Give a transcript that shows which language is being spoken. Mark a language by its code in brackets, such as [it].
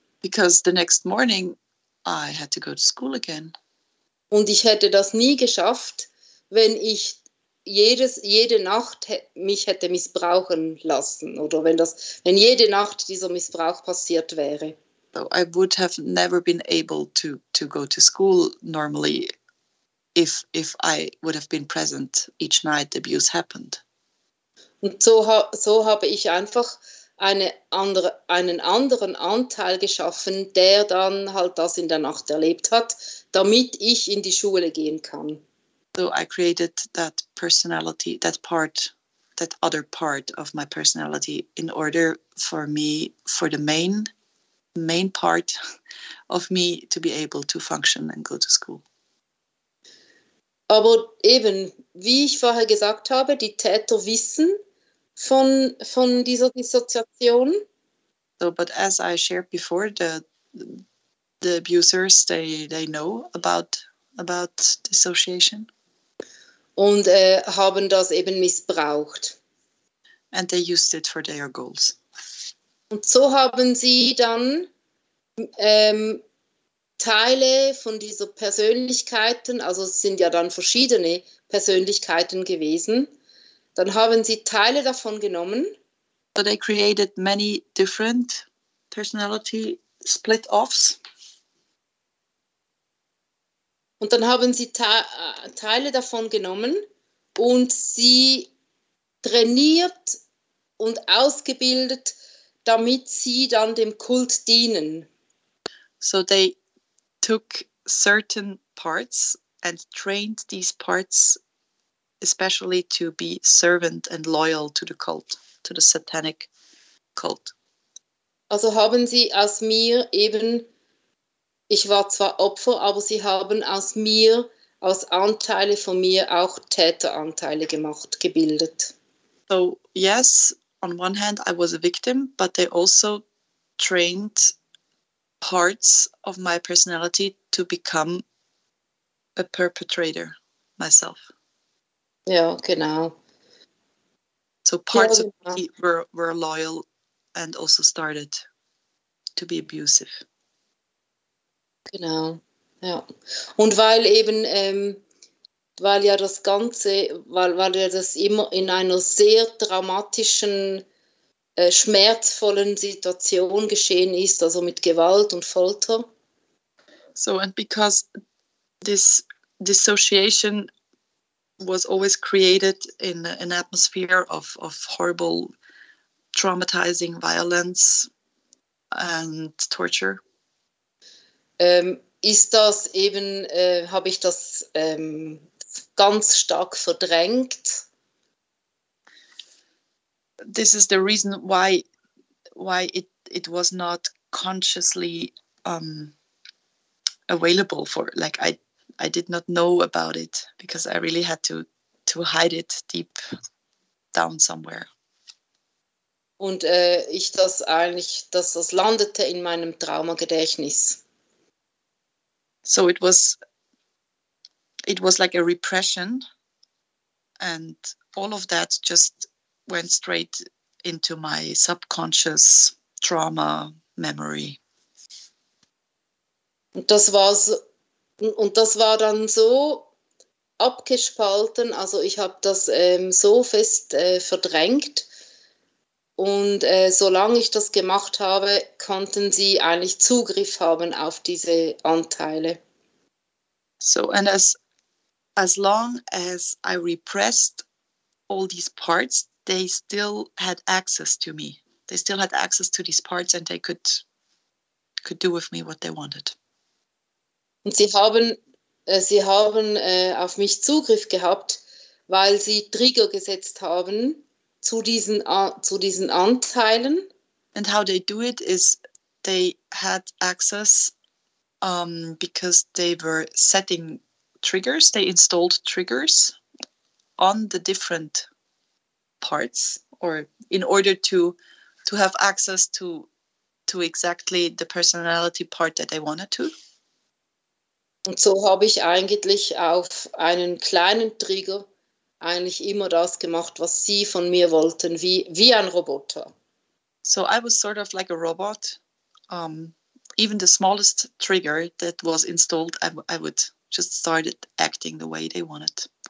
[en] Because the next morning I had to go to school again. [de] Und ich hätte das nie geschafft, wenn ich jede Nacht mich hätte missbrauchen lassen oder wenn jede Nacht dieser Missbrauch passiert wäre. [en] So I would have never been able to go to school normally if I would have been present each night the abuse happened. [de] Und so habe ich einfach einen anderen Anteil geschaffen, der dann halt das in der Nacht erlebt hat, damit ich in die Schule gehen kann. [en] So I created that personality, that part, that other part of my personality in order for me, for the main part of me to be able to function and go to school. [de] Aber eben, wie ich vorher gesagt habe, die Täter wissen von dieser Dissoziation. [en] So, but as I shared before, the abusers, they know about dissociation. [de] Und haben das eben missbraucht. [en] And they used it for their goals. [de] Und so haben sie dann Teile von dieser Persönlichkeiten, also es sind ja dann verschiedene Persönlichkeiten gewesen, dann haben sie Teile davon genommen. [en] So they created many different personality split-offs. [de] Und dann haben sie Teile davon genommen und sie trainiert und ausgebildet, damit sie dann dem Kult dienen. [en] So they took certain parts and trained these parts especially to be servant and loyal to the cult, to the satanic cult. [de] Also haben sie aus mir eben, ich war zwar Opfer, aber sie haben aus mir, aus Anteile von mir auch Täteranteile gemacht, gebildet. [en] So, yes, on one hand I was a victim, but they also trained parts of my personality to become a perpetrator myself. [de] Ja, genau. [en] So parts [de] ja, genau. [en] Of me were loyal and also started to be abusive. [de] Genau, ja. Und weil eben, weil ja das Ganze, weil ja das immer in einer sehr dramatischen, schmerzvollen Situation geschehen ist, also mit Gewalt und Folter. [en] So, and because this dissociation was always created in an atmosphere of horrible, traumatizing violence and torture. [de] Habe ich das ganz stark verdrängt? [en] This is the reason why it was not consciously available for, like I did not know about it because I really had to hide it deep down somewhere. [de] Und ich das eigentlich, dass das landete in meinem Traumagedächtnis. [en] So it was like a repression and all of that just went straight into my subconscious trauma memory. [de] Und das war dann so abgespalten, also ich habe das so fest verdrängt und solange ich das gemacht habe, konnten sie eigentlich Zugriff haben auf diese Anteile. [en] So, and as as long as I repressed all these parts, they still had access to me. They still had access to these parts and they could do with me what they wanted. [de] Und sie haben auf mich Zugriff gehabt, weil sie Trigger gesetzt haben zu diesen Anteilen. [en] And how they do it is they had access because they were setting triggers, they installed triggers on the different parts or in order to have access to exactly the personality part that they wanted to. [de] Und so habe ich eigentlich auf einen kleinen Trigger eigentlich immer das gemacht, was sie von mir wollten, wie ein Roboter. [en] So I was sort of like a robot. Even the smallest trigger that was installed, I would just started acting the way they wanted.